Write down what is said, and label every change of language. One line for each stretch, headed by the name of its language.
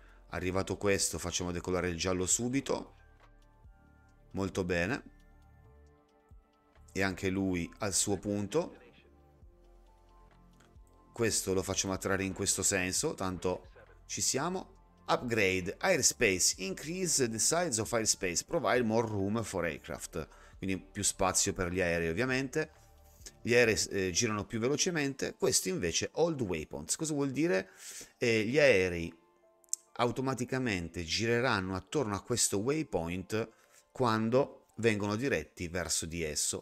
Italian: Arrivato questo, facciamo decollare il giallo subito. Molto bene. E anche lui al suo punto. Questo lo facciamo atterrare in questo senso, tanto ci siamo.
English: Upgrade airspace, increase the size of airspace, provide more room for aircraft.
Italian: Quindi più spazio per gli aerei, ovviamente. Gli aerei girano più velocemente. Questo invece, hold waypoints. Cosa vuol dire? Gli aerei automaticamente gireranno attorno a questo waypoint quando vengono diretti verso di esso.